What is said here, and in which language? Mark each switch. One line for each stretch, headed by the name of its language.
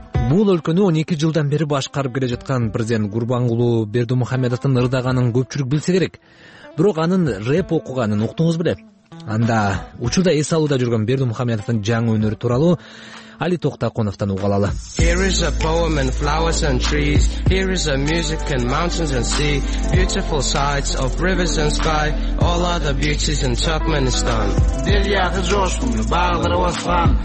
Kyrgyz: Бул өлкөнү 12 жылдан бери башкарып келе жаткан президент Гурбангулу Бердимухамедовдун ырдаганын көпчүлүк билсе керек. Бирок анын рэп окуганын уктуңуз беле? Анда учурда эс алууда жүргөн Бердимухамедовдун жаңы өнөрү тууралуу Али Токтоконовтон угалалы.
English: Here is a poem and flowers and trees. Here is a music and mountains and sea. Beautiful sights of rivers and sky. All are the beauties in Turkmenistan.
Turkmen: Дил яхы жошун, багыр осман.